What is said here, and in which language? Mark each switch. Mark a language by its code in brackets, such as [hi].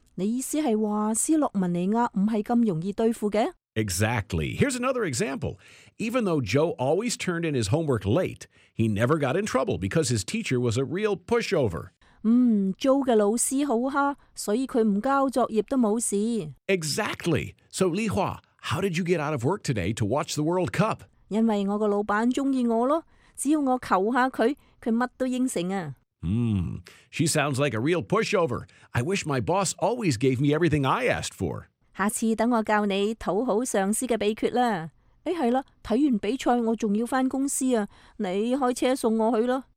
[zh] 你意思是说斯洛文尼亚不是那么容易对付的？ [en] Exactly. Here's another example. Even though Joe always turned in his homework late, he never got in trouble because his teacher was a real pushover. [zh] Joe 的老师好蝦，所以他不交作业都没事。 [en] Exactly. So, Li Hua, how did you get out of work today to watch the World Cup? [zh] 因为我的老板喜欢我咯，只要我求下他，他什么都应承啊。 [en] She sounds like a real pushover. I wish my boss always gave me everything I asked for. [zh] 下次等我教你讨好上司的秘诀啦。哎，是啦，看完比赛我还要回公司啊，你开车送我去咯。